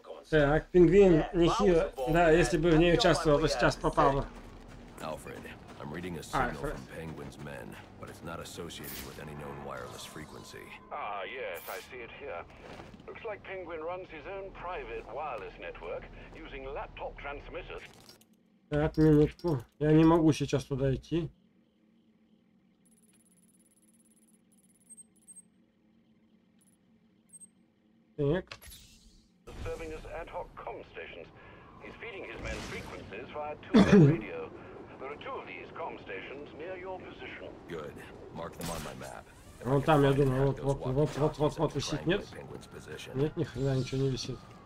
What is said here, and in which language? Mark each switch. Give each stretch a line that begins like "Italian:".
Russian: Так, пингвин нехило. Да, если бы в ней участвовал, то сейчас попал бы.
English: Alfred, I'm reading a signal from Penguin's men, but it's not associated with any known wireless frequency. Ah, yes, I see it here. Looks like Penguin runs his own private wireless network using laptop transmitters.
Russian: Так, минутку. Я не могу сейчас туда идти. Так.
English: Serving as ad hoc comm stations. He's feeding his men frequencies via two-way radio. There are two of these comm stations near your position. Good. Mark them on my map.
Russian: Вон там, я думаю, вот висит, нет? Нет, ни хрена, ничего не висит.